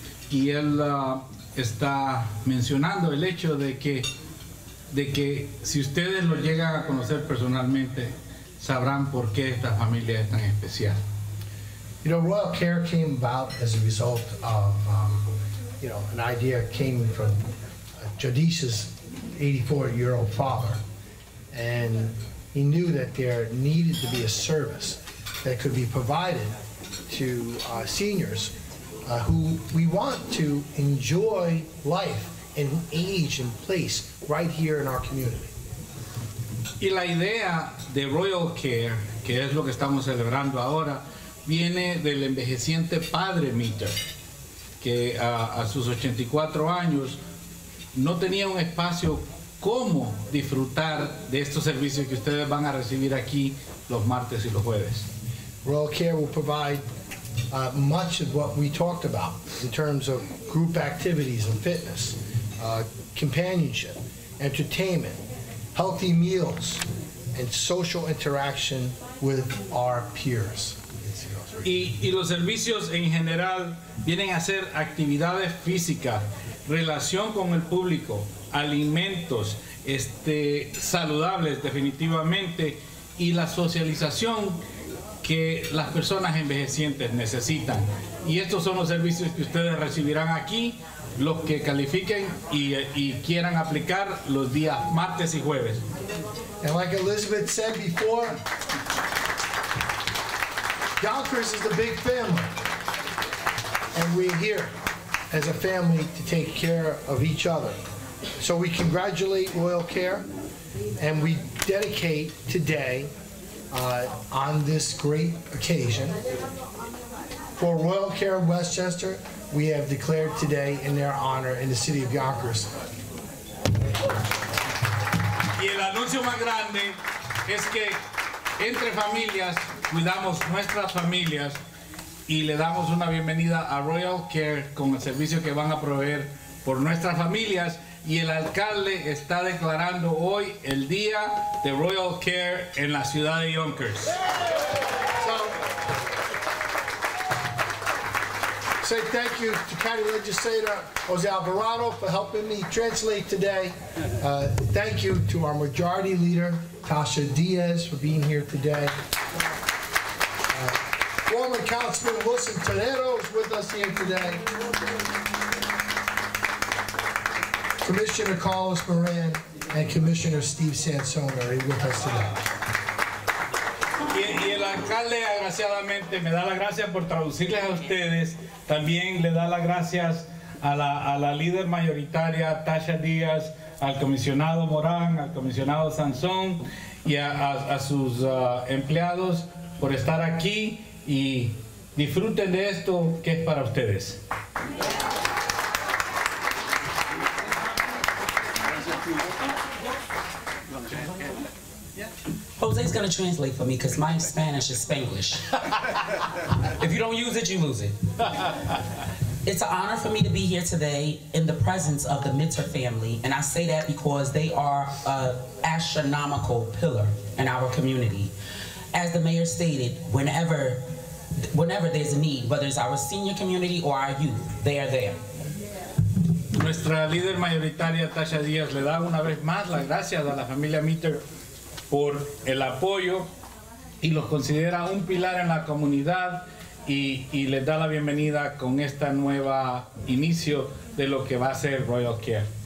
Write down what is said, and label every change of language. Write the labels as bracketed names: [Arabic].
[Spanish] Y él está mencionando el hecho de que si ustedes lo llegan a conocer personalmente, sabrán por qué esta familia es tan especial. [English] You know, Royal Care came about as a result of, an idea came from Jadisha's 84-year-old father. And he knew that there needed to be a service that could be provided to seniors who we want to enjoy life and age and place right here in our community. [Spanish] Y la idea de Royal Care, que es lo que estamos celebrando ahora, viene del envejeciente padre Meter, que a sus 84 años no tenía un espacio como disfrutar de estos servicios que ustedes van a recibir aquí los martes y los jueves. [English] Royal Care will provide much of what we talked about in terms of group activities and fitness, companionship, entertainment, healthy meals, and social interaction with our peers. [Spanish] Y los servicios en general vienen a ser actividades físicas, relación con el público, alimentos saludables definitivamente, y la socialización que las personas envejecientes necesitan. Y estos son los servicios que ustedes recibirán aquí, los que califiquen y quieran aplicar los días martes y jueves. [English] And like Elizabeth said before, Yonkers is the big family, and we're here as a family to take care of each other. So we congratulate Royal Care, and we dedicate today on this great occasion. For Royal Care of Westchester, we have declared today in their honor in the city of Yonkers. [Spanish] Y el anuncio más grande es que entre familias cuidamos nuestras familias y le damos una bienvenida a Royal Care con el servicio que van a proveer por nuestras familias. Y el alcalde está declarando hoy el día de Royal Care en la ciudad de Yonkers. [English] Say thank you to County Legislator Jose Alvarado for helping me translate today. Thank you to our Majority Leader Tasha Diaz for being here today. Former Councilman Wilson Tenero is with us here today. Commissioner Carlos Moran and Commissioner Steve Sansone are with us today. [Spanish] Y el alcalde, agraciadamente, me da las gracias por traducirles a ustedes. También le da las gracias a la líder mayoritaria, Tasha Diaz, al comisionado Morán, al comisionado Sansón, y a sus empleados por estar aquí. Y disfruten de esto, que es para ustedes. [English] Jose's gonna translate for me because my Spanish is Spanglish. If you don't use it, you lose it. It's an honor for me to be here today in the presence of the Meter family, and I say that because they are an astronomical pillar in our community. As the mayor stated, whenever there's a need, whether it's our senior community or our youth, they are there. [Spanish] Nuestra líder mayoritaria, Tasha Diaz, le da una vez más las gracias a la familia Meter por el apoyo, y los considera un pilar en la comunidad, y les da la bienvenida con esta nueva inicio de lo que va a ser Royal Care.